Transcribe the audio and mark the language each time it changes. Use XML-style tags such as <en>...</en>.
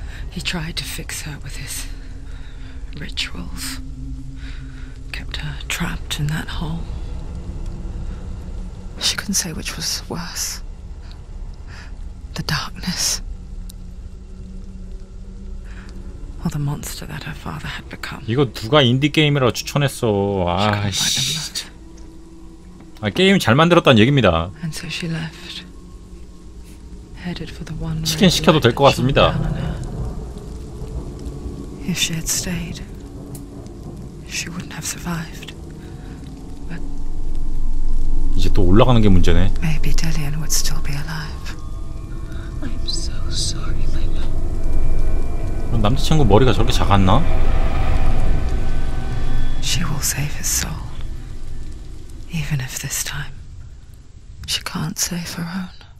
<en>He tried to fix her with his rituals. Kept her trapped in that hole. She couldn't say which was worse. The darkness. Or the monster that her father had become.</en> <ko>이거 누가 인디 게임이라고 추천했어. 아, 아, 게임 잘 만들었다는 얘기입니다.</ko> <en>And so she left. Headed for the one.</en> <ko>치킨 시켜도 될 것 같습니다.</ko> <en>If she had stayed, she wouldn't have survived. But</en> <ko>이제 또 올라가는 게 문제네.</ko> <en>Maybe Delian would still be alive. I'm so sorry.</en> <ko>남자친구 머리가 저렇게 작았나?</ko> <en>She will save his soul. Even if this time she can't save her own.</en>